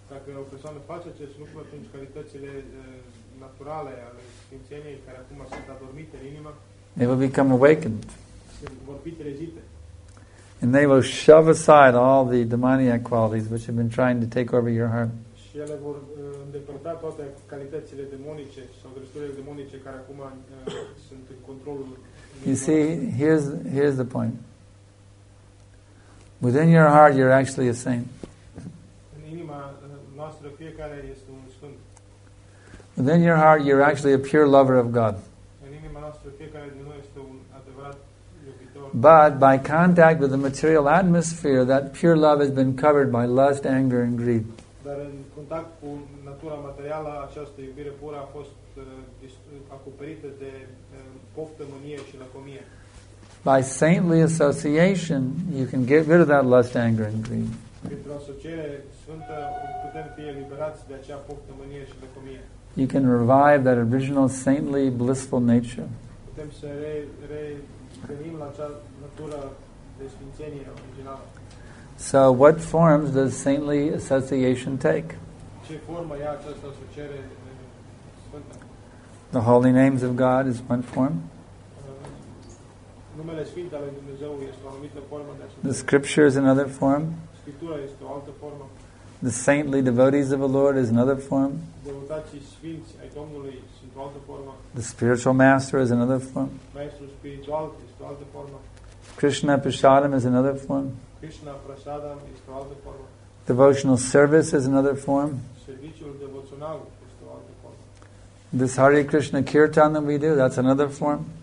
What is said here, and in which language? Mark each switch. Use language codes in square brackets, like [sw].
[ro] când o persoană face acest lucru, atunci calitățile naturale ale sfințeniei, care acum sunt adormite în inimă, [en] they will become awakened. [ro] Vor fi trezite. [en] And they will shove aside all the demoniac qualities which have been trying to take over your heart. [ro] Și ele vor îndepărta toate calitățile demonice sau drăsturile demonice care acum sunt în controlul. [en] You see, here's the point. Within your heart, you're actually a saint. [ro] În inima noastră, fiecare este un sfânt. [en] Within your heart, you're actually a pure lover of God. [ro] În inima noastră, fiecare din noi este un adevărat iubitor. [en] But by contact with the material atmosphere, that pure love has been covered by lust, anger, and greed. [ro] Dar în contact cu natura materială, această iubire pură a fost acoperită de poftă, mânie și lăcomie. [en] By saintly association, you can get rid of that lust, anger, and greed. [ro] Printr-o asociere sfântă, putem fi eliberați de acea poftă, mânie și lăcomie. [en] You can revive that original saintly, blissful nature. [ro] Putem să revenim la acea natură de sfințenie originală. [en] So what forms does saintly association take? [ro] Ce formă ia această asociere sfântă? [en] The holy names of God is one form. [ro] Numele sfinte ale Dumnezeu este o anumită formă de asociere. [en] The scripture is another form. [ro] Scriptura este o altă formă. [en] The saintly devotees of the Lord is another form. [ro] Devotații sfinți ai Domnului sunt o altă formă. [en] The spiritual master is another form. [ro] Maestrul spiritual este o altă formă. [en] Krishna prasadam is another form. [ro] Krishna prasadam este o altă formă. [en] Devotional service is another form. [ro] Serviciul devoțional este o altă formă. [en] This Hare Krishna kirtan that we do, that's another form.